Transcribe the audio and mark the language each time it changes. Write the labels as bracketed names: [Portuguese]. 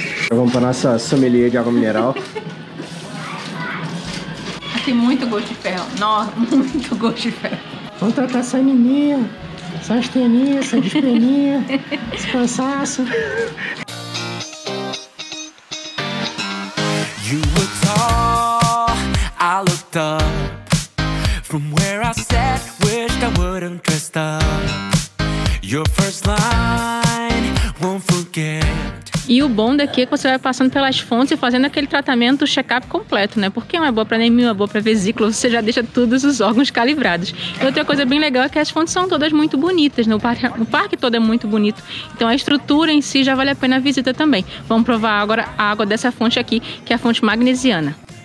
[Portuguese] Vamos pra nossa sommelier de água mineral. Tem muito gosto de ferro. Nossa, muito gosto de ferro. Vamos tratar essa menininha. Essa asteninha, essa despeninha, esse cansaço. [English] You were tall, I looked up. From where I sat, wished I wouldn't dress up. Your first line, won't forget. [Portuguese] E o bom daqui é que você vai passando pelas fontes e fazendo aquele tratamento check-up completo, né? Porque uma é boa pra anemia, uma é boa pra vesícula, você já deixa todos os órgãos calibrados. E outra coisa bem legal é que as fontes são todas muito bonitas, né? O parque todo é muito bonito. Então a estrutura em si já vale a pena a visita também. Vamos provar agora a água dessa fonte aqui, que é a fonte magnesiana.